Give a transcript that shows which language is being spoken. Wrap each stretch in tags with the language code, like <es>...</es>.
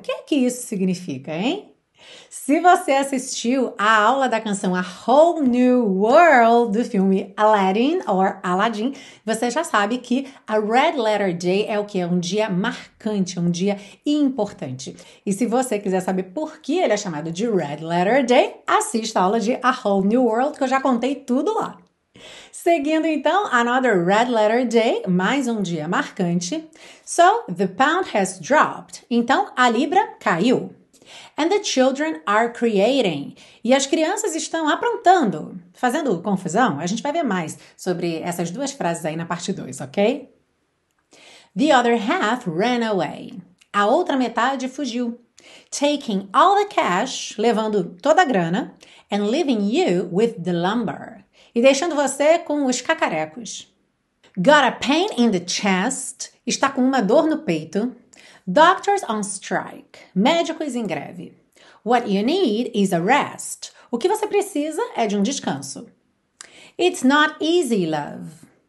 <pt>O que é que isso significa, hein? Se você assistiu a aula da canção A Whole New World do filme Aladdin, or Aladdin, você já sabe que a Red Letter Day é o que? É um dia marcante, um dia importante. E se você quiser saber por que ele é chamado de Red Letter Day, assista a aula de A Whole New World, que eu já contei tudo lá. Seguindo então,</pt> <en>another red letter day,</en> <pt>mais um dia marcante.</pt> <en>So, the pound has dropped.</en> <pt>Então, a libra caiu.</pt> <en>And the children are creating.</en> <pt>E as crianças estão aprontando, fazendo confusão. A gente vai ver mais sobre essas duas frases aí na parte 2, ok?</pt> <en>The other half ran away.</en> <pt>A outra metade fugiu.</pt> <en>Taking all the cash,</en> <pt>levando toda a grana,</pt> <en>and leaving you with the lumber.</en> <pt>E deixando você com os cacarecos.</pt> <en>Got a pain in the chest.</en> <pt>Está com uma dor no peito.</pt> <en>Doctors on strike.</en> <pt>Médicos em greve.</pt> <en>What you need is a rest.</en> <pt>O que você precisa é de um descanso.</pt> <en>It's not easy, love.</en>